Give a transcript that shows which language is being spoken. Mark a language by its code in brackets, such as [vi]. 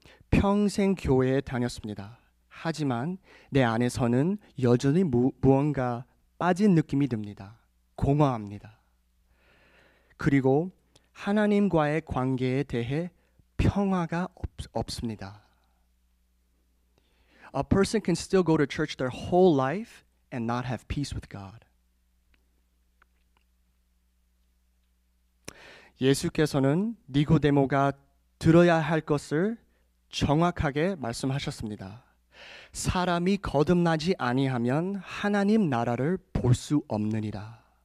[ko] 평생 교회에 다녔습니다. 하지만 내 안에서는 여전히 무언가 빠진 느낌이 듭니다. 공허합니다. 그리고 하나님과의 관계에 대해 평화가 없습니다. [en] A person can still go to church their whole life and not have peace with God. [ko] 예수께서는 니고데모가 들어야 할 것을 정확하게 말씀하셨습니다. 사람이 거듭나지 아니하면 하나님 나라를 볼 수 없느니라.